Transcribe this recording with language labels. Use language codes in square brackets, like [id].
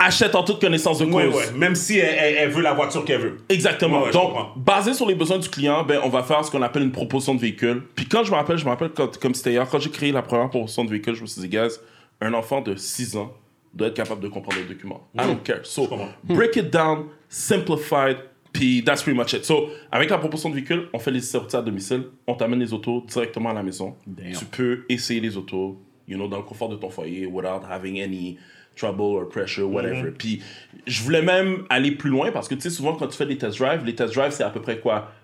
[fr] Achète en toute connaissance de cause. Ouais, ouais. Même si elle veut la voiture qu'elle veut. Exactement. Ouais, donc, basé sur les besoins du client, ben, on va faire ce qu'on appelle une proposition de véhicule. Puis quand je me rappelle comme c'était hier, quand j'ai créé la première proposition de véhicule, je me suis dit, guys, un enfant de 6 ans doit être capable de comprendre les documents. [en] Mmh. I don't care. So, break it down, simplified, [fr] puis [en] that's pretty much it. [fr] So, avec la proposition de véhicule, on fait les sorties à domicile, on t'amène les autos directement à la maison. [en] Damn. [fr] Tu peux essayer les autos. [en] You know, [fr] dans le confort de ton foyer, [en] without having any trouble or pressure, whatever. [fr] Mm-hmm. Puis, je voulais même aller plus loin parce que, tu sais, souvent, quand tu fais des test drives, les test drives, c'est à peu près quoi?